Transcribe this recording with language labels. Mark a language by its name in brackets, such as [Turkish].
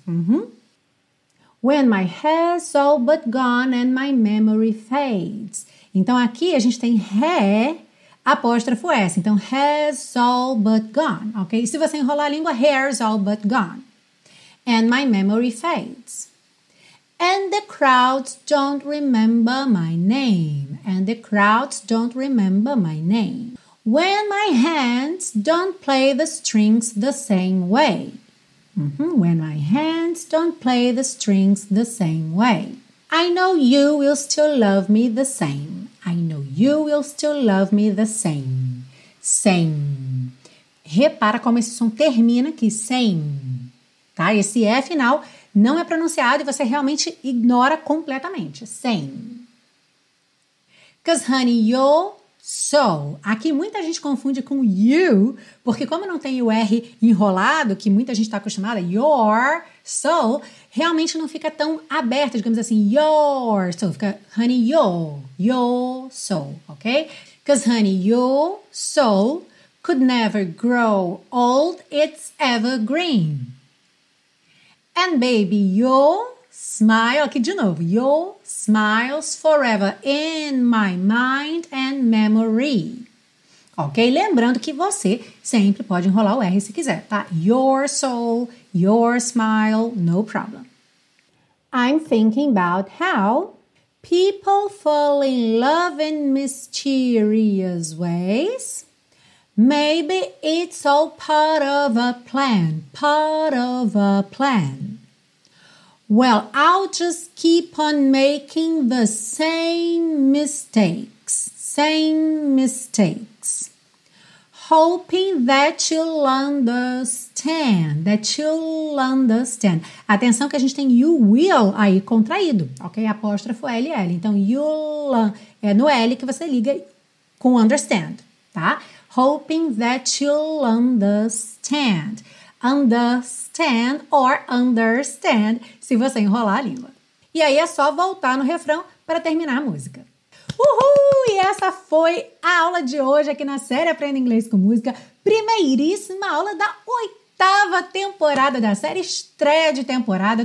[English] Uhum. When my hair's all but gone and my memory fades. [Portuguese] Então, aqui a gente tem hair, apóstrofo S. Então, [English] has all but gone, [Portuguese] ok? Se você enrolar a língua, [English] hair's all but gone. And my memory fades. And the crowds don't remember my name. And the crowds don't remember my name. When my hands don't play the strings the same way. Mm-hmm. When my hands don't play the strings the same way. I know you will still love me the same. I know you will still love me the same. Same. [Portuguese] Repara como esse som termina aqui, same. Tá? Esse E final não é pronunciado e você realmente ignora completamente. [English] Same. 'Cause honey, you're so. [Portuguese] Aqui muita gente confunde com you, porque como não tem o R enrolado, que muita gente está acostumada, you're so, realmente não fica tão aberto, digamos assim, you're so, fica [English] honey, you're so, [Portuguese] ok? [English] 'Cause honey, your soul could never grow old, it's evergreen. And baby, your smile, [Portuguese] aqui de novo, [English] your smile's forever in my mind and memory. [Portuguese] Ok? Lembrando que você sempre pode enrolar o R se quiser, tá? [English] Your soul, your smile, no problem. I'm thinking about how people fall in love in mysterious ways. Maybe it's all part of a plan, part of a plan. Well, I'll just keep on making the same mistakes, same mistakes. Hoping that you'll understand, that you'll understand. [Portuguese] Atenção que a gente tem [English] you will [Portuguese] aí contraído, ok? Apóstrofo LL. Então, [English] you'll, [Portuguese] é no L que você liga com understand, tá? [English] Hoping that you'll understand. Understand or understand, [Portuguese] se você enrolar a língua. E aí é só voltar no refrão para terminar a música. Uhul! E essa foi a aula de hoje aqui na série Aprenda Inglês com Música. Primeiríssima aula da 8ª temporada da série, estreia de temporada.